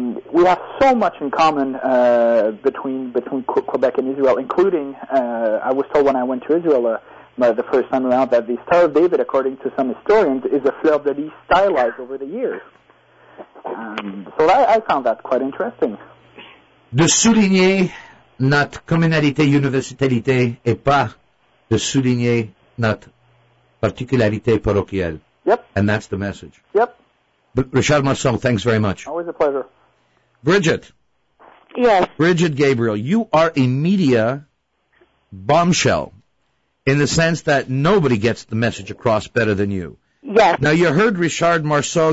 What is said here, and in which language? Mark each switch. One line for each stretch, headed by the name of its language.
English: We have so much in common between Quebec and Israel, including, I was told when I went to Israel the first time around, that the Star of David, according to some historians, is a fleur de lis stylized over the years. So I found that quite interesting.
French: De souligner notre communalité universalité et pas de souligner notre particularité parochiale.
English: Yep. And that's the message. Yep. Richard Marceau, thanks very much. Always a pleasure. Bridget. Yes. Bridget Gabriel, you are a media bombshell in the sense that nobody gets the message across better than you. Yes. Now, you heard Richard Marceau.